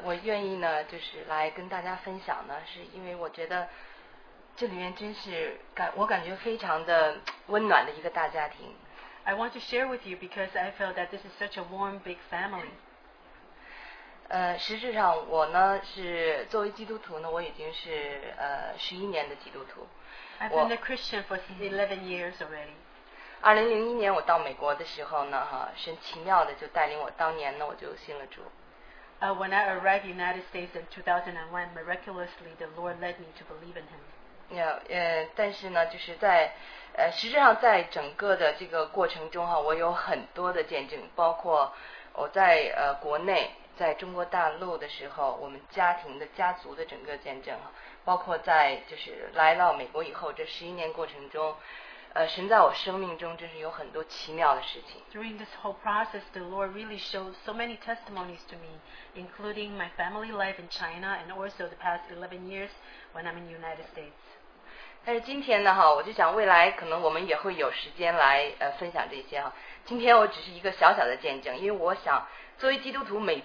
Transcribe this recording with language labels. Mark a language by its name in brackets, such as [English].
[Chinese] 我愿意呢, 就是来跟大家分享呢, 是因为我觉得这里面真是, 我感觉非常的温暖的一个大家庭. [English] I want to share with you because I feel that this is such a warm, big family. [Chinese] 实质上我呢, 是作为基督徒呢, 我已经是, 11年的基督徒。 [English] I've been a Christian for 11 years already. [Chinese] 2001年我到美国的时候呢, 哈, 神奇妙的就带领我当年呢, 我就信了主。 [English] When I arrived in the United States in 2001, miraculously the Lord led me to believe in Him. [Chinese] Yeah, 但是呢, 就是在, 实质上在整个的这个过程中, 哈, 我有很多的见证, 包括我在, 国内, 在中国大陆的时候, 我们家庭的家族的整个见证, 包括在就是来到美国以后, 这11年过程中, 神在我生命中真是有很多奇妙的事情。 [English] During this whole process, the Lord really showed so many testimonies to me, including my family life in China and also the past 11 years when I'm in the United States. [Chinese] 但是今天呢, 我就想未来可能我们也会有时间来, 分享这些, 今天我只是一个小小的见证, 因为我想, 作为基督徒,